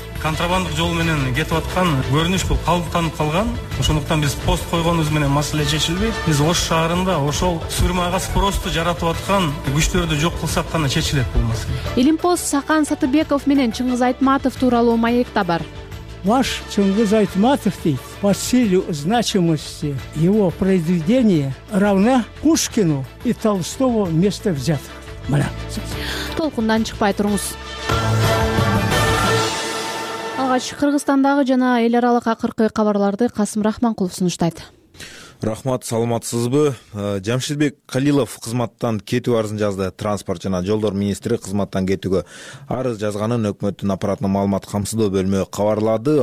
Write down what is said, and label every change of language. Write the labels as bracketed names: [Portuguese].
[Kyrgyz] Контрабандык жол менен кетип аткан көрүнүш бул калыптанып калган. Ошондуктан биз пост койгонубуз менен маселе чечилбейт. Биз Ош шаарында ошол сурмага спросту жаратып аткан күчтөрдү жок кылсак гана чечилет бул маселе. Илимпост Сакан Сатыбеков менен Чыңгыз Айтматов тууралуу маекте бар. [Russian] Ваш Чыңгыз Айтматов [Kyrgyz] дейт, [Russian] по силе значимости его произведения равна Пушкину и Толстого вместе взятых. [Kyrgyz] Мына. Толкундан чыкпай туруңуз. Алгач Кыргызстандагы жана эл аралык акыркы кабарларды Касым Рахманкулов сунуштайт. Рахмат, саламатсызбы? Жамширбек Калилов кызматтан кетүү арызын жазды. Транспорт жана жолдор министри кызматтан кетүүгө арыз жазганын өкмөттүн аппаратына маалымат камсыздоо бөлүмү кабарлады.